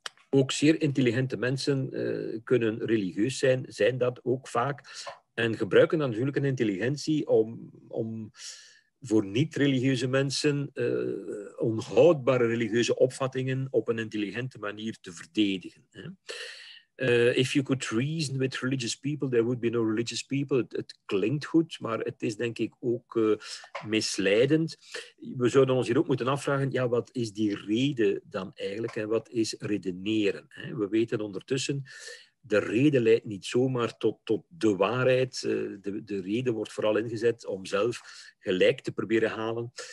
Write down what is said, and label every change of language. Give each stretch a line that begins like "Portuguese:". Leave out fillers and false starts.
Dutch: Ook zeer intelligente mensen kunnen religieus zijn dat ook vaak. En gebruiken dan natuurlijk een intelligentie om voor niet-religieuze mensen onhoudbare religieuze opvattingen op een intelligente manier te verdedigen. Hè.
English: If you could reason with religious people, there would be no religious people.
Dutch: Het klinkt goed, maar het is denk ik ook misleidend. We zouden ons hier ook moeten afvragen, ja, wat is die reden dan eigenlijk? En wat is redeneren? Hè? We weten ondertussen, de reden leidt niet zomaar tot de waarheid. De reden wordt vooral ingezet om zelf gelijk te proberen halen.